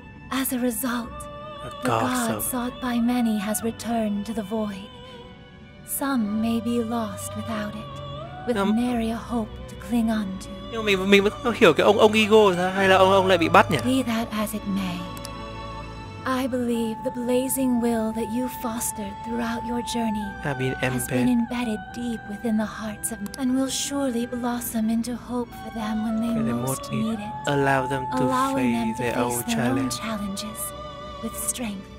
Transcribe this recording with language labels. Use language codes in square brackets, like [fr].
[en] As a result, the god sought by many has returned to the void. Some may be lost without it, with nary a hope to cling on to. [vi] Nhưng mà mình vẫn hiểu cái ông ego hay là ông lại bị bắt nhỉ? [en] Be that as it may, I believe the blazing will that you fostered throughout your journey has been embedded deep within the hearts of men and will surely blossom into hope for them when they most need it. Allow them to face their own challenges with strength.